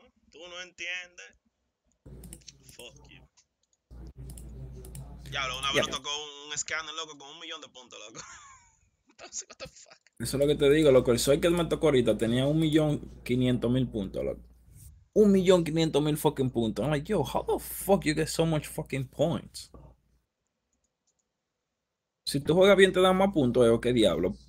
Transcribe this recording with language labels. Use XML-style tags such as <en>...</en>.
<es>Tú no entiendes. Diablo, una vez nos Ya. tocó un escáner, loco, con 1 millón de puntos, loco. Entonces,</es> <en>what the fuck?</en> <es>Eso es lo que te digo, loco. El soy que me tocó ahorita tenía 1.500.000 puntos, loco. 1.500.000 fucking puntos.</es> <en>I'm like, yo, how the fuck you get so much fucking points?</en> <es>Si tú juegas bien, te dan más puntos, yo, qué diablo.</es>